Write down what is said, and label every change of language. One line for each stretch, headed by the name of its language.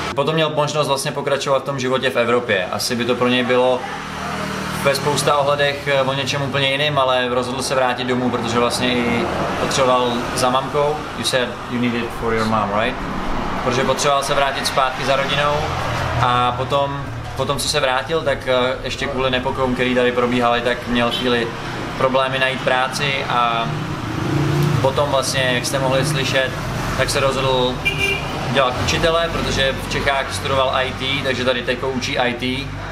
Czech: Potom měl možnost vlastně pokračovat v tom životě v Evropě. Asi by to pro něj bylo ve spousta ohledech o něčem úplně jiným, ale rozhodl se vrátit domů, protože vlastně i potřeboval za mamkou.
English: You said you needed for your mom, right?
Czech: Protože potřeboval se vrátit zpátky za rodinou a potom, co se vrátil, tak ještě kvůli nepokojům, který tady probíhaly, tak měl chvíli problémy najít práci a potom vlastně, jak jste mohli slyšet, tak se rozhodl dělat učitele, protože v Čechách studoval IT, takže tady teďko učí IT.